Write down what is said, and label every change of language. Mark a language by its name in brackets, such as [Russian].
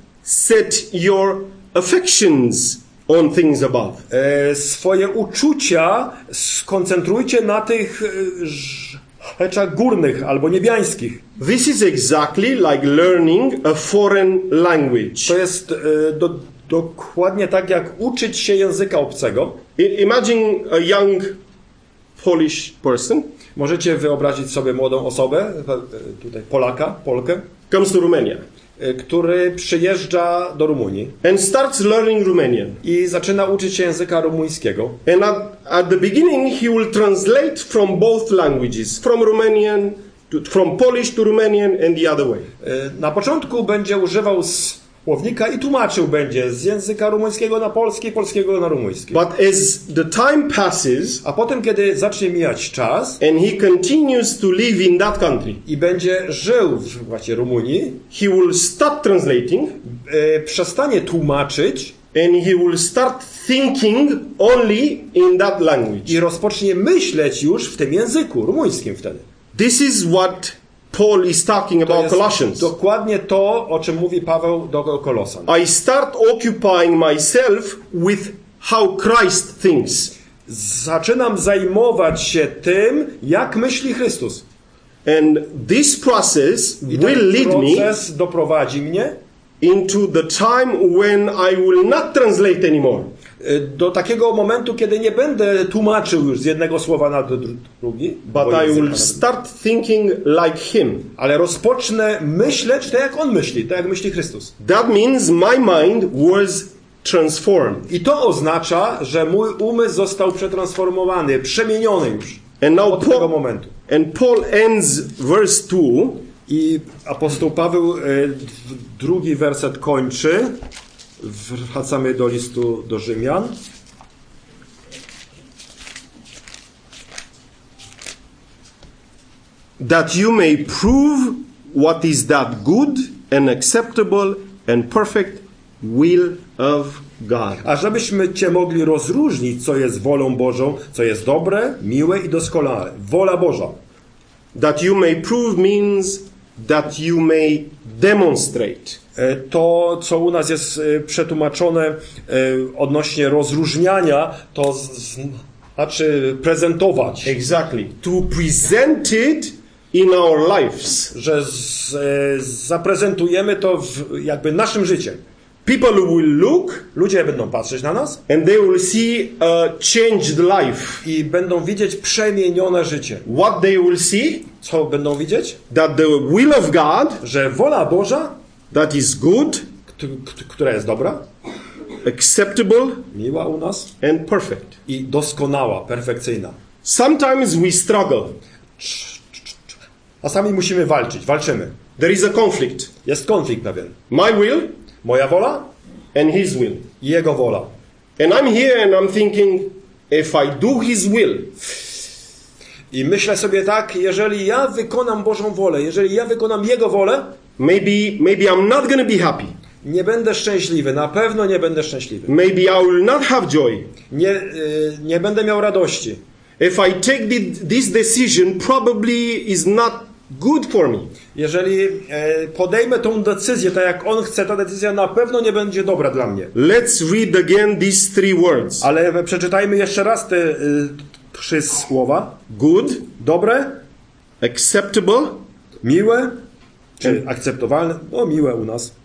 [English] Set your affections on things above. [Polish] Swoje uczucia skoncentrujcie na tych rzeczach górnych albo niebiańskich. [English] This is exactly like learning a foreign language. [Polish] To jest dokładnie tak, jak uczyć się języka obcego. [English] Imagine a young Polish person. [Polish] Możecie wyobrazić sobie młodą osobę, tutaj Polaka, Polkę. [English] Comes to Romania. [Polish] Który przyjeżdża do Rumunii. [English] And starts learning Romanian. [Polish] I zaczyna uczyć się języka rumuńskiego. [English] And at the beginning he will translate from both languages. From Romanian, from Polish to Romanian and the other way. [Polish] Na początku będzie używał słownika i tłumaczył będzie z języka rumuńskiego na polski, polskiego na rumuński. [English] But as the time passes, [Polish] a potem kiedy zacznie mijać czas, [English] and he continues to live in that country, [Polish] i będzie żył w właśnie Rumunii, [English] he will stop translating, [Polish] przestanie tłumaczyć, [English] and he will start thinking only in that language, [Polish] i rozpocznie myśleć już w tym języku rumuńskim wtedy. [English] This is what Paul is talking about Colossians. [Polish] Dokładnie to, o czym mówi Paweł do Kolosan. [English] I start occupying myself with how Christ thinks. [Polish] Zaczynam zajmować się tym, jak myśli Chrystus. [English] And this process will lead me. [Polish] Proces doprowadzi mnie [English] into the time when I will not translate anymore. [Polish] Do takiego momentu, kiedy nie będę tłumaczył już z jednego słowa na drugi. [English] But I will start thinking like him. [Polish] Ale rozpocznę myśleć tak, jak on myśli, tak jak myśli Chrystus. [English] That means my mind was transformed. [Polish] I to oznacza, że mój umysł został przetransformowany, przemieniony już. [English] And now [Polish] od tego momentu. [English] And Paul ends verse 2. [Polish] I apostoł Paweł drugi werset kończy. Wracamy do listu do Rzymian. [English] That you may prove what is that good and acceptable and perfect will of God. [Polish] A żebyśmy cię mogli rozróżnić, co jest wolą Bożą, co jest dobre, miłe i doskonałe. Wola Boża. [English] That you may prove means that you may demonstrate. [Polish] To, co u nas jest przetłumaczone odnośnie rozróżniania, to znaczy prezentować. [English] Exactly. To present it in our lives. [Polish] Że zaprezentujemy to w, jakby naszym życiem. [English] People will look, [Polish] ludzie będą patrzeć na nas, [English] and they will see a changed life, [Polish] i będą widzieć przemienione życie. [English] What they will see, [Polish] co będą widzieć? [English] That the will of God, [Polish] że wola Boża, [English] that is good, [Polish] która jest dobra, [English] acceptable, [Polish] miła u nas, [English] and perfect, [Polish] i doskonała, perfekcyjna. [English] Sometimes we struggle, [Polish] a sami musimy walczyć, walczymy. [English] There is a conflict, [Polish] jest konflikt pewien. [English] My will, [Polish] moja wola, [English] and his will, [Polish] jego wola. [English] And I'm here and I'm thinking, if I do his will, [Polish] i myślę sobie tak, jeżeli ja wykonam Bożą wolę, jeżeli ja wykonam jego wolę, [English] maybe I'm not gonna be happy, [Polish] nie będę szczęśliwy, na pewno nie będę szczęśliwy. [English] Maybe I will not have joy, [Polish] nie będę miał radości. [English] If I take this decision, probably is not good for me. [Polish] Jeżeli podejmę tą decyzję, tak jak on chce, ta decyzja na pewno nie będzie dobra dla mnie. [English] Let's read again these three words. [Polish] Ale przeczytajmy jeszcze raz te trzy słowa. [English] Good, [Polish] dobre, [English] acceptable, [Polish] miłe, czy akceptowalne, no miłe u nas,